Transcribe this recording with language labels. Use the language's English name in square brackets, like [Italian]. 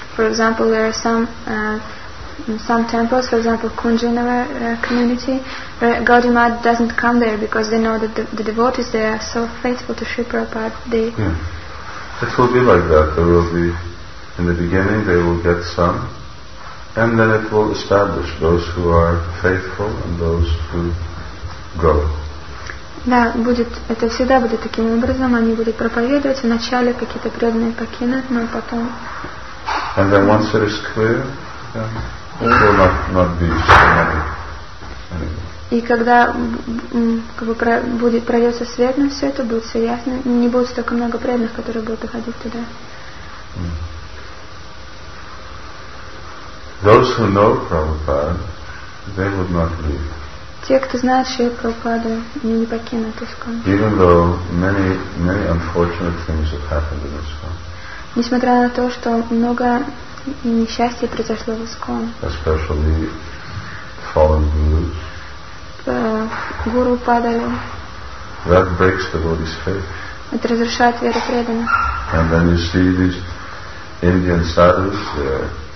[English] For example, there are some temples, for example, Kunjinava community, where Gaudimat doesn't come there because they know that the devotees there are so faithful to Shri Prabhupada. They It will be like that. There will be, in the beginning, they will get some, and then it will establish those who are faithful and those who go. [Russian] Да, будет, это всегда будет таким образом. Они будут проповедовать, вначале какие-то преданные покинут, но потом... [English] And then once it is clear, then... [Russian] И когда будет прольется свет на все это, будет все ясно, не будет столько много преданных, которые будут уходить туда. [English] Those who know Prabhupada, they would not leave. [Russian] Те, кто знает Шри Прабхупаду, не покинут ISKCON. [English] Even though many unfortunate things have happened in ISKCON. [Russian] Несмотря на то, что много и несчастье произошло в ISKCON. [English] Especially fallen gurus. [Russian] Гуру падали. [English] That breaks the body's faith. [Russian] Это разрушает веру преданных. [English] And then you see these Indian sadhus there